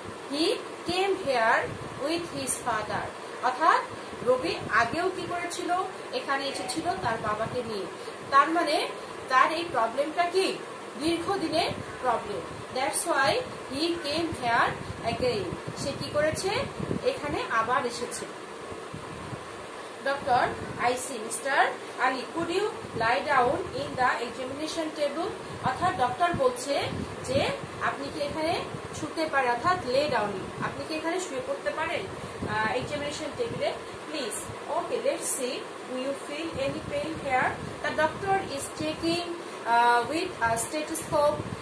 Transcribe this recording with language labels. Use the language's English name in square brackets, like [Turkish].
[English] he came here with his father [Bangla] অর্থাৎ রবি আগেও কি করেছিল এখানে এসেছিল তার বাবাকে নিয়ে তার মানে তার এই প্রবলেমটা কি দীর্ঘদিনের problem [English] that's why he came here again [Bangla] সে কি করেছে এখানে আবার এসেছে [English] Doctor, I see. Mr. Ali, could you lie down in the examination table? [Bangla] অর্থাৎ ডক্টর বলছে যে আপনি কি এখানে শুতে পারেন অর্থাৎ লে ডাউন আপনি কি এখানে শুয়ে পড়তে পারেন এক্সামিনেশন টেবিলে please [English] okay let's see do you feel any pain here the doctor is checking with a stethoscope